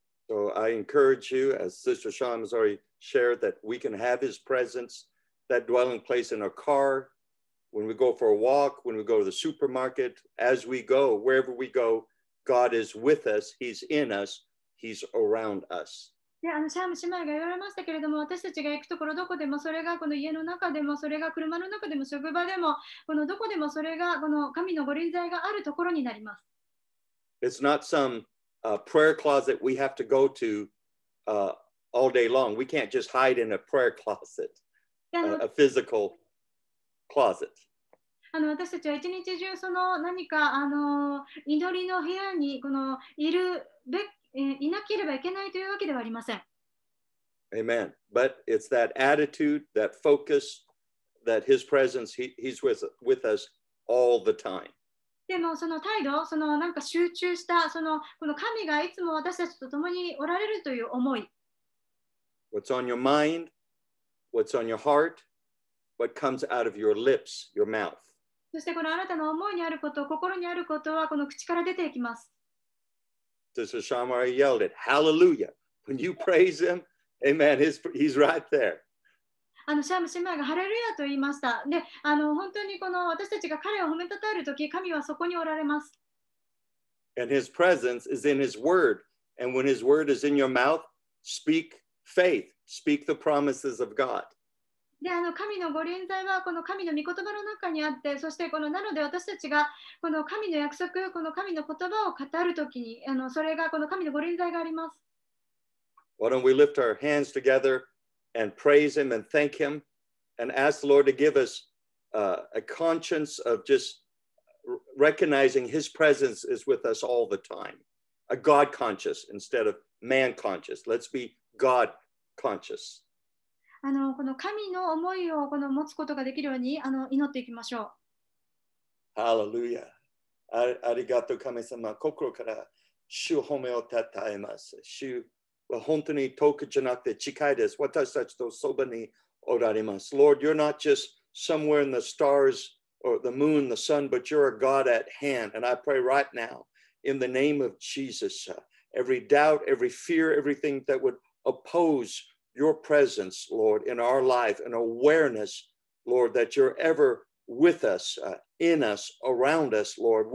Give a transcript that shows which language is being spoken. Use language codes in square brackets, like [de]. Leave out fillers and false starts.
[en] So I encourage you, as Sister Sean has already shared, that we can have His presence, that dwelling place in our car, when we go for a walk, when we go to the supermarket, as we go, wherever we go, God is with us, He's in us, He's around us. [ja] であのシャーム姉妹が言われましたけれども、私たちが行くところどこでも、それがこの家の中でも、それが車の中でも、職場でも、このどこでもそれがこの神の御臨在があるところになります。 [en] It's not some prayer closet we have to go to all day long. We can't just hide in a prayer closet, a physical closet. [ja] あの私たちは一日中その何かあの祈りの部屋にこのいるべきいなければいけないというわけではありません。 [en] Amen. But it's that attitude, that focus, that His presence, He's with us all the time. [ja] でもその態度、そのなんか集中した、そのこの神がいつも私たちと共におられるという思い。 [en] What's on your mind? What's on your heart? What comes out of your lips, your mouth? [ja] そしてこのあなたの思いにあること、心にあることはこの口から出ていきます。 [en] Sister Shamari yelled it, Hallelujah. When you praise Him, Amen, He's right there. [ja] あのシャム姉妹がハレルヤと言いました。で、あの本当にこの私たちが彼を褒めたたえるとき、神はそこにおられます。 [en] And His presence is in His Word. And when His Word is in your mouth, speak faith. Speak the promises of God. [ja] であの神の御臨在はこの神の御言葉の中にあって、そしてこのなので私たちがこの神の約束、この神の言葉を語るときにあの、それがこの神の御臨在があります。 [en] Why don't we lift our hands together and praise Him and thank Him and ask the Lord to give us a conscience of just recognizing His presence is with us all the time. A God conscious instead of man conscious. Let's be God conscious. [ja] あのこの神の思いをこの持つことができるようにあの祈っていきましょう。ハレルヤ。ありがとう神様。心から主褒めをたたえます。主は本当に遠くじゃなくて近いです。私たちとそばにおられます。 [en] Lord, you're not just somewhere in the stars or the moon, the sun, but you're a God at hand. And I pray right now in the name of Jesus, every doubt, every fear, everything that would oppose Your presence, Lord, in our life, an awareness, Lord, that you're ever with us, in us, around us, Lord.